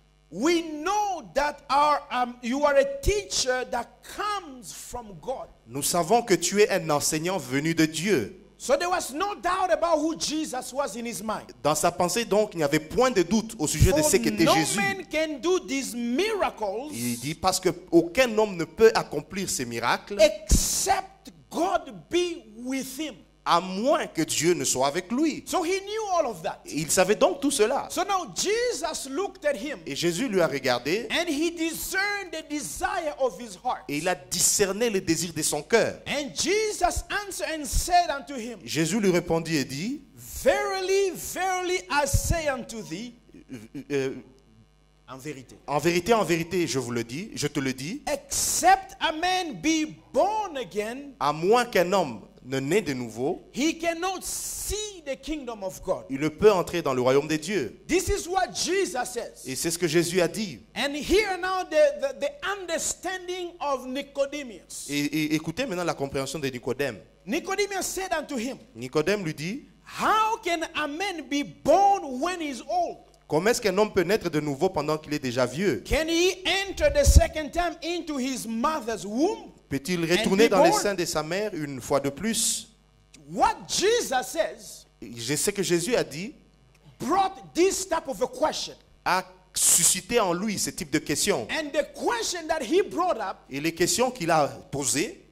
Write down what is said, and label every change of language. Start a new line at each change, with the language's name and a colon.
English: We know that our you are a teacher that comes from God.
French: Nous savons que tu es un enseignant venu de Dieu.
English: So there was no doubt about who Jesus was in his mind.
French: Dans sa pensée donc, il n'y avait point de doute au sujet
English: For
French: de ce qu'était
English: no
French: Jésus.
English: Man can do these miracles
French: il dit parce que aucun homme ne peut accomplir ces miracles
English: except God be with him.
French: À moins que Dieu ne soit avec lui.
English: So he knew all of that.
French: Il savait donc tout cela.
English: So now Jesus looked at him,
French: et Jésus lui a regardé.
English: And he discerned the desire of his heart.
French: Et il a discerné le désir de son cœur.
English: And Jesus answered and said unto him,
French: Jésus lui répondit et dit,
English: Verily, verily, I say unto thee,
French: En vérité, je vous le dis, je te le dis,
English: except a man be born again,
French: à moins qu'un homme ne naît de nouveau,
English: he cannot see the kingdom of God.
French: Il ne peut entrer dans le royaume de Dieu.
English: This is what Jesus says.
French: Et c'est ce que Jésus a dit.
English: And here now the understanding of Nicodemus.
French: Et écoutez maintenant la compréhension de Nicodème.
English: Nicodemus said unto him,
French: Nicodème lui dit,
English: How can a man be born when he's old?
French: Comment est-ce qu'un homme peut naître de nouveau pendant qu'il est déjà vieux?
English: Can he enter the second time into his mother's womb?
French: Peut-il retourner dans les seins de sa mère une fois de plus?
English: What Jesus says,
French: je sais que Jésus a dit,
English: brought this type of a question,
French: a suscité en lui ce type de question.
English: And the question that he brought up,
French: et les questions qu'il a posées,